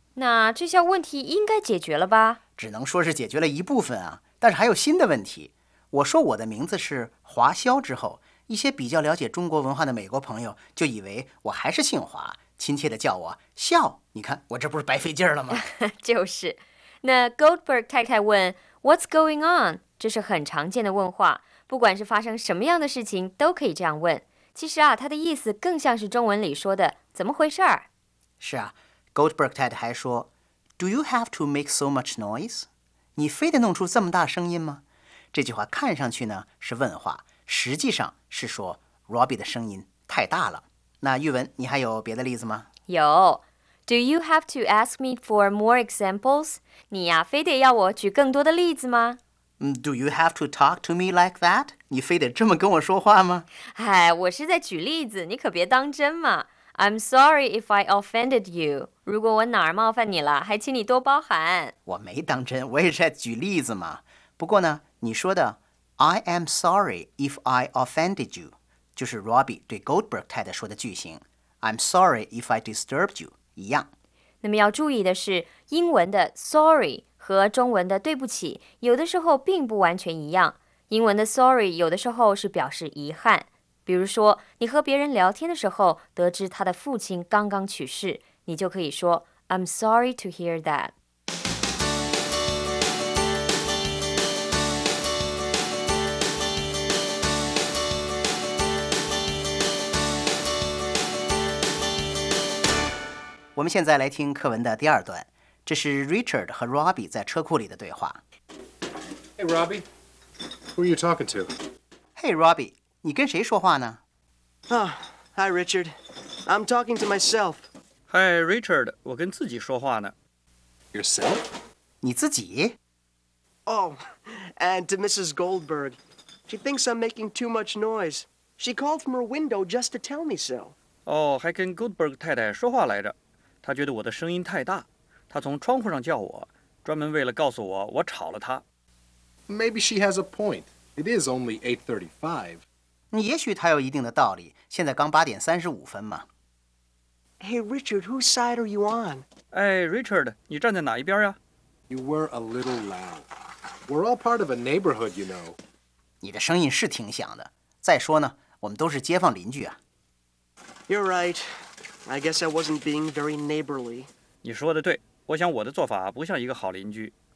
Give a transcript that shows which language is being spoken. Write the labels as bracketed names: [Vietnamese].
[Chinese] 那这下问题应该解决了吧？只能说是解决了一部分啊，但是还有新的问题。我说我的名字是华笑之后，一些比较了解中国文化的美国朋友就以为我还是姓华，亲切地叫我笑。你看我这不是白费劲了吗？就是。那 Goldberg 太太问 [English] What's going on？ [Chinese] 这是很常见的问话，不管是发生什么样的事情都可以这样问。其实啊，他的意思更像是中文里说的怎么回事儿。是啊， Goldberg 太太还说 [English] Do you have to make so much noise? [Chinese] 你非得弄出这么大声音吗？这句话看上去呢是问话，实际上是说 Robbie 的声音太大了。那玉文，你还有别的例子吗？有。 [English] Do you have to ask me for more examples? [Chinese] 你呀，非得要我举更多的例子吗？ [English] Do you have to talk to me like that? [Chinese] 你非得这么跟我说话吗？哎，我是在举例子，你可别当真嘛。 [English] I'm sorry if I offended you. [Chinese] 如果我哪儿冒犯你了，还请你多包涵。我没当真，我也是在举例子嘛。不过呢，你说的 [English] I am sorry if I offended you， [Chinese] 就是 Robbie 对 Goldberg 太太说的句型。 [English] I'm sorry if I disturbed you， [Chinese] 一样。那么要注意的是，英文的 sorry和中文的对不起有的时候并不完全一样。英文的 sorry 有的时候是表示遗憾，比如说你和别人聊天的时候得知他的父亲刚刚去世，你就可以说 [English] I'm sorry to hear that。 [Chinese] 我们现在来听课文的第二段，这是 Richard 和 Robbie 在车库里的对话。 [English] Hey Robbie, who are you talking to? [Chinese] Hey Robbie, 你跟谁说话呢？ [English] Hi Richard, I'm talking to myself. [Chinese] Hi Richard, 我跟自己说话呢。 [English] Yourself? [Chinese] 你自己？ [English] Oh, and to Mrs. Goldberg. She thinks I'm making too much noise. She called from her window just to tell me so. [Chinese] 还跟 Goldberg 太太说话来着。她觉得我的声音太大。她从窗户上叫我，专门为了告诉我我吵了她。 [English] Maybe she has a point. It is only 8:35. [Chinese] 也许她有一定的道理。现在刚8:35嘛。 [English] Hey, Richard, whose side are you on? [Chinese] Hey, Richard, 你站在哪一边呀？ [English] You were a little loud. We're all part of a neighborhood, you know. [Chinese] 你的声音是挺响的。再说呢，我们都是街坊邻居啊。 [English] You're right. I guess I wasn't being very neighborly. [Chinese] 你说的对，我想我的做法不像一个好邻居。